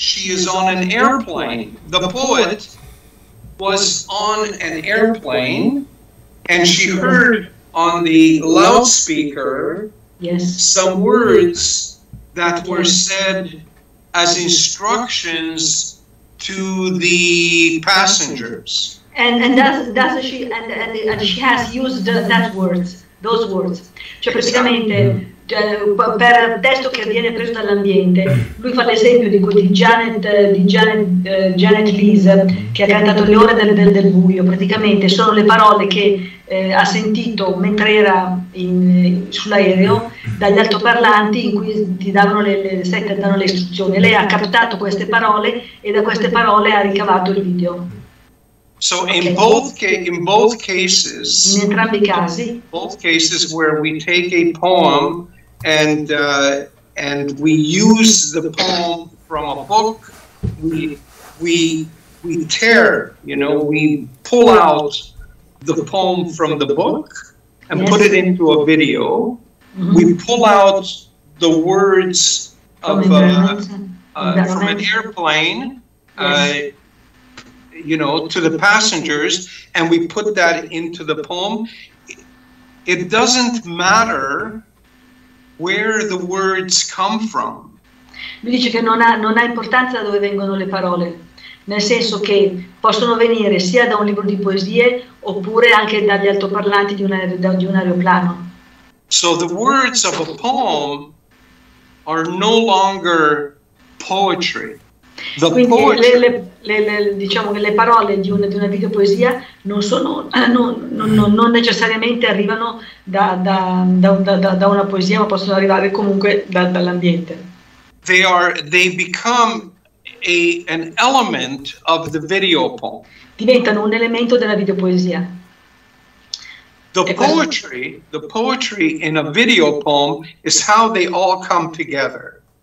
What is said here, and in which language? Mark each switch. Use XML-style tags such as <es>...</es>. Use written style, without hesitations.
<en>She is on an airplane. The poet was on an airplane, and she heard on the loudspeaker some words that were said as instructions to the passengers. And she has used that words, those words.</en> <it>Cioè praticamente, per il testo che viene preso dall'ambiente, lui fa l'esempio di Janet Lees, che ha cantato Le ore del buio. Praticamente sono le parole che ha sentito mentre era sull'aereo dagli altoparlanti, in cui ti davano le istruzioni. Lei ha captato queste parole e da queste parole ha ricavato il video.</it> <en>So in both cases,</en> <it>in entrambi i casi,</it> <en>both cases where we take a poem and we use the poem from a book, we tear, you know, we pull out the poem from the book and put it into a video. Mm-hmm. We pull out the words from an airplane. You know, to the passengers, and we put that into the poem. It doesn't matter where the words come from.</en> <it>Lui dice che non ha importanza da dove vengono le parole, nel senso che possono venire sia da un libro di poesie oppure anche dagli altoparlanti di un aeroplano.</it> <en>So the words of a poem are no longer poetry. The</en> <it>quindi diciamo che le parole di una videopoesia non necessariamente arrivano da una poesia, ma possono arrivare comunque dall'ambiente.</it> <en>They become an element of the video poem.</en> <it>Diventano un elemento della videopoesia.</it> <en>The poetry in a video poem is how they all come together.</en>